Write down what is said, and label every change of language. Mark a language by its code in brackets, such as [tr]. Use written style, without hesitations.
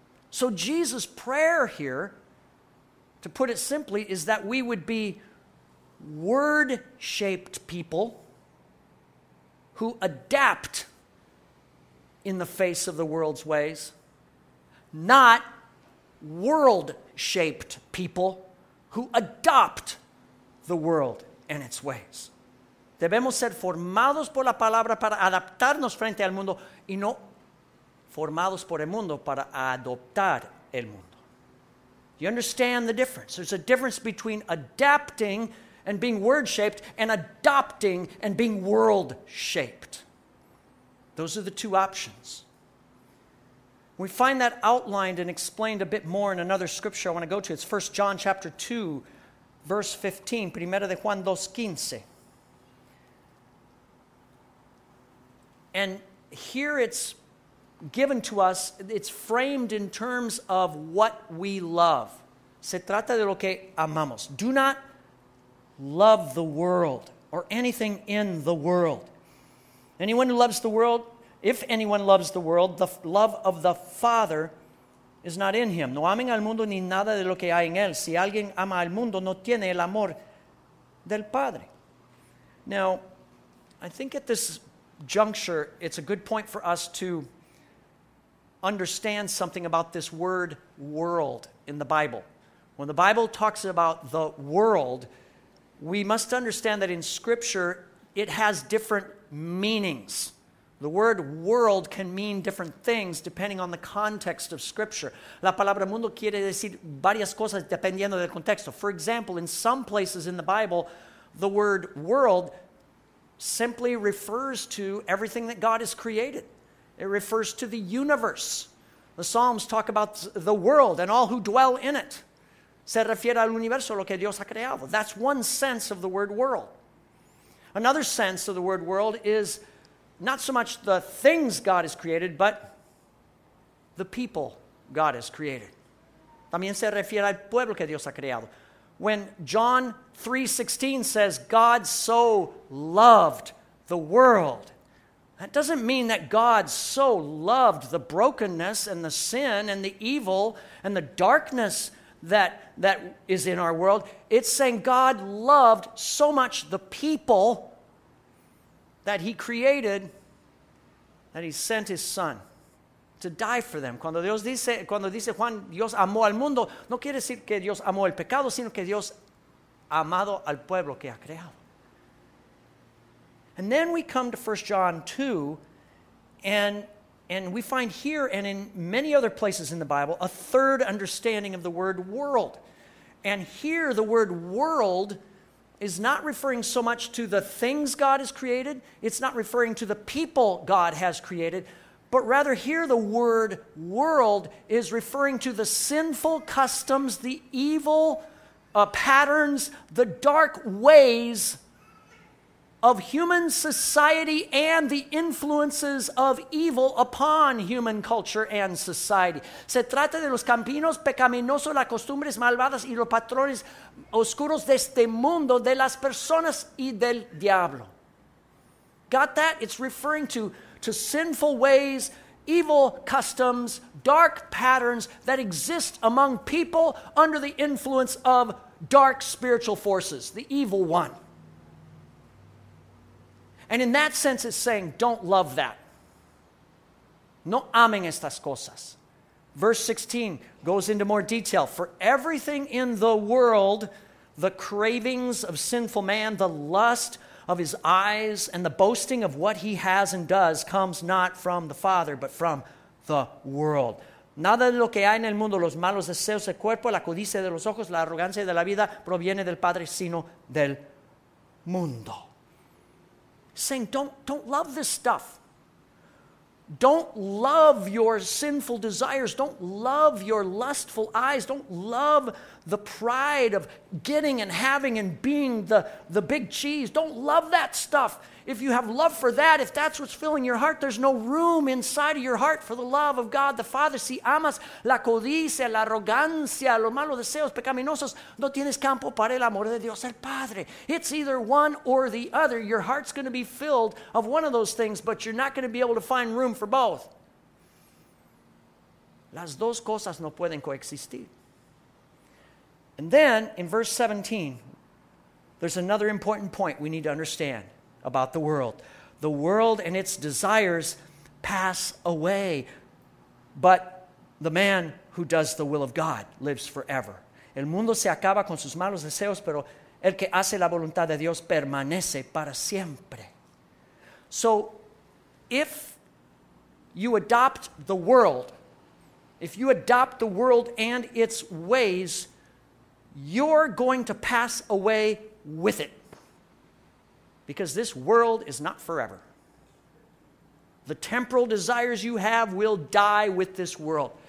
[en] So Jesus' prayer here, to put it simply, is that we would be word-shaped people who adapt in the face of the world's ways, not world-shaped people who adopt the world and its ways. [es] Debemos ser formados por la palabra para adaptarnos frente al mundo y no formados por el mundo para adoptar el mundo. [en] You understand the difference? There's a difference between adapting and being word-shaped, and adopting and being world-shaped. Those are the two options. We find that outlined and explained a bit more in another scripture I want to go to. It's 1 John chapter 2, verse 15. [es] Primera de Juan 2:15. [en] And here it's given to us, it's framed in terms of what we love. [es] Se trata de lo que amamos. [en] Do not love the world or anything in the world. Anyone who loves the world, if anyone loves the world, the love of the Father is not in him. [es] No amen al mundo ni nada de lo que hay en él. [en] Si alguien ama al mundo, no tiene el amor del Padre. Now, I think at this juncture, it's a good point for us to understand something about this word world in the Bible. When the Bible talks about the world, we must understand that in Scripture, it has different meanings. The word world can mean different things depending on the context of Scripture. [es] La palabra mundo quiere decir varias cosas dependiendo del contexto. [en] For example, in some places in the Bible, the word world simply refers to everything that God has created. It refers to the universe. The Psalms talk about the world and all who dwell in it. [es] se refiere al universo, lo que Dios ha creado. [en] That's one sense of the word world. Another sense of the word world is not so much the things God has created, but the people God has created. [es] También se refiere al pueblo que Dios ha creado. [en] When John 3:16 says, God so loved the world, that doesn't mean that God so loved the brokenness and the sin and the evil and the darkness that is in our world. It's saying God loved so much the people that he created that he sent his son to die for them. [es] Cuando Dios dice Juan, Dios amó al mundo, no quiere decir que Dios amó el pecado, sino que Dios amado al pueblo que ha creado. [en] And then we come to 1 John 2, and we find here and in many other places in the Bible a third understanding of the word world. And here the word world is not referring so much to the things God has created, it's not referring to the people God has created, but rather here the word world is referring to the sinful customs, the evil patterns, the dark ways of human society and the influences of evil upon human culture and society. [es] Se trata de los caminos pecaminosos, las costumbres malvadas y los patrones oscuros de este mundo, de las personas y del diablo. [en] Got that? It's referring to sinful ways, evil customs, dark patterns that exist among people under the influence of dark spiritual forces, the evil one. And in that sense, it's saying, don't love that. [es] No amen estas cosas. [en] Verse 16 goes into more detail. For everything in the world, the cravings of sinful man, the lust of his eyes, and the boasting of what he has and does, comes not from the Father, but from the world. [es] Nada de lo que hay en el mundo, los malos deseos del cuerpo, la codicia de los ojos, la arrogancia de la vida, proviene del Padre, sino del mundo. [en] Saying, don't love this stuff. Don't love your sinful desires. Don't love your lustful eyes. Don't love the pride of getting and having and being the big cheese. Don't love that stuff. If you have love for that, if that's what's filling your heart, there's no room inside of your heart for the love of God the Father. [es] Si amas la codicia, la arrogancia, los malos deseos pecaminosos, no tienes campo para el amor de Dios el Padre. [en] It's either one or the other. Your heart's going to be filled of one of those things, but you're not going to be able to find room for both. [es] Las dos cosas no pueden coexistir. [en] And then, in verse 17, there's another important point we need to understand about the world. The world and its desires pass away, but the man who does the will of God lives forever. [es] El mundo se acaba con sus malos deseos, pero el que hace la voluntad de Dios permanece para siempre. [en] So, if you adopt the world, if you adopt the world and its ways, you're going to pass away with it. Because this world is not forever. The temporal desires you have will die with this world.